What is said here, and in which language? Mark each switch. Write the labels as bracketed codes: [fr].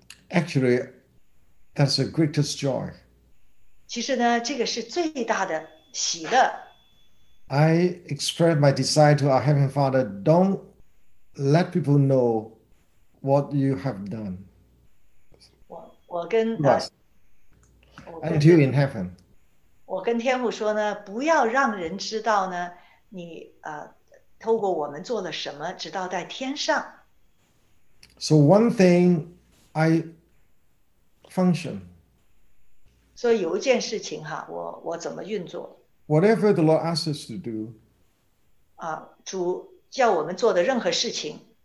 [en] Actually, that's the greatest joy. [zh] 其实呢，这个是最大的喜乐。 [en] I express my desire to our Heavenly Father, don't let people know what you have done. [zh] 我跟 [en] in heaven. [zh] 我跟天父说呢，不要让人知道呢，你透过我们做了什么，直到在天上。 [en] So one thing I function. [zh] 所以有一件事情哈，我怎么运作？ [en] Whatever the Lord asks us to do, [zh] 主叫我们做的任何事情,